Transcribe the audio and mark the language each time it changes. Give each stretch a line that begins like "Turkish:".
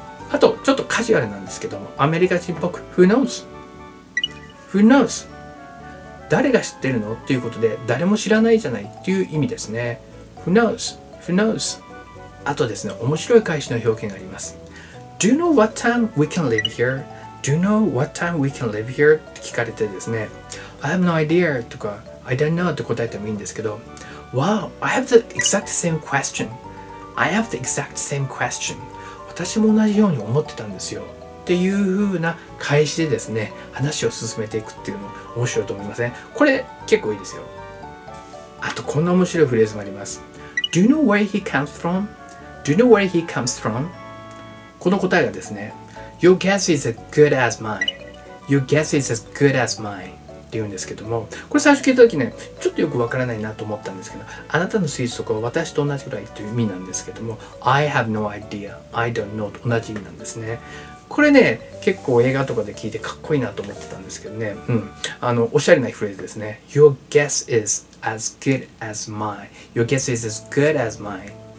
Japanese: あとちょっとカジュアルなんですけども、アメリカ人っぽく
English: Who knows、 Who knows、
Japanese: 誰が知ってるのっていうことで、誰も知らないじゃないっていう意味ですね。
English: Who knows、 Who knows。
Japanese: あとですね、面白い返しの表現があります。
English: Do you know what time we can live here? Do you know what time we can live here?
Japanese: って聞かれてですね、
English: I have no idea
Japanese: とか
English: I don't know
Japanese: って答えてもいいんですけど、
English: Wow, I have the exact same question. I have the exact same question.
Japanese: 私も同じように思ってたんですよ。っていう風な返しでですね、話を進めていくっていうの面白いと思いません？これ結構いいですよ。あとこんな面白いフレーズもあります。
English: Do you know where he comes from? Do you know where he comes from?
Japanese: この答えがですね、
English: Your guess is as good as mine. Your guess is as good as mine.
Japanese: って言うんですけども、これ最初聞いた時ね、ちょっとよくわからないなと思ったんですけど、あなたの推測は私と同じぐらいという意味なんですけども、
English: I have no idea、 I don't know
Japanese: と同じ意味なんですね。これね、結構映画とかで聞いてかっこいいなと思ってたんですけどね、おしゃれなフレーズですね。
English: Your guess is as good as mine、 Your guess is as good as mine。